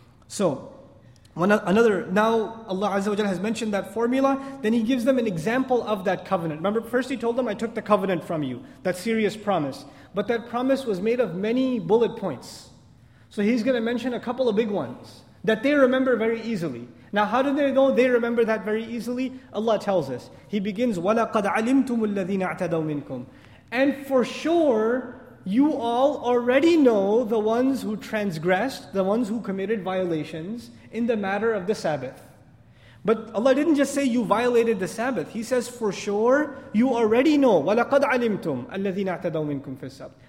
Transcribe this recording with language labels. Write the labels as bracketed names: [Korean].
[English] So, now Allah Azza wa Jalla has mentioned that formula, then He gives them an example of that covenant. Remember, first He told them, I took the covenant from you, that serious promise. But that promise was made of many bullet points. So He's going to mention a couple of big ones that they remember very easily. Now, how do they know they remember that very easily? Allah tells us. He begins, [Arabic] وَلَقَدْ عَلِمْتُمُ الَّذِينَ اَعْتَدَوْ مِنْكُمْ. [English] And for sure, you all already know the ones who transgressed, the ones who committed violations in the matter of the Sabbath. But Allah didn't just say you violated the Sabbath. He says, for sure, you already know. [Arabic] وَلَقَدْ عَلِمْتُمْ الَّذِينَ اَعْتَدَوْ مِنْكُمْ فِي السَّبْتِ.